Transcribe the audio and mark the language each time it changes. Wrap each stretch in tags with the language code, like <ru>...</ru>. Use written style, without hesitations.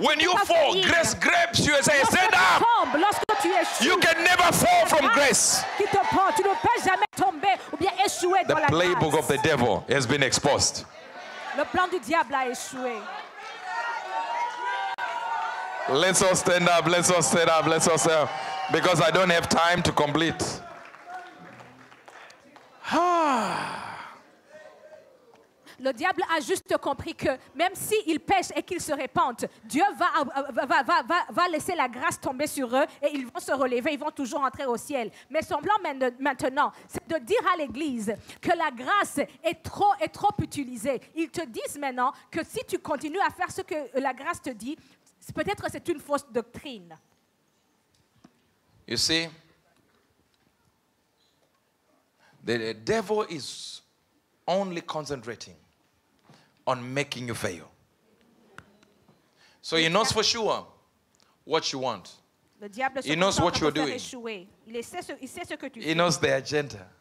<en>When you fall, grace grabs you and says, stand up.</en> <fr>Lorsque tu échoues,</fr> <en>you can never fall from grace.</en> <fr>Qui te prend, tu ne peux jamais tomber ou bien échouer dans la grâce.</fr> <en>The playbook of the devil has been exposed.</en> <fr>Le plan du diable a échoué.</fr> <en>Let's all stand up. Let's all stand up. Let's all stand up. Because I don't have time to complete.</en> <fr>Le diable a juste compris que même s'ils pêchent et qu'ils se répandent, Dieu va laisser la grâce tomber sur eux et ils vont se relever, ils vont toujours entrer au ciel. Mais son plan maintenant, c'est de dire à l'église que la grâce est trop utilisée. Ils te disent maintenant que si tu continues à faire ce que la grâce te dit, peut-être c'est une fausse doctrine.</fr> <en>You see, the devil is only concentrating on making you fail. So he knows for sure what you want. He knows what you're doing. He knows the agenda.</en>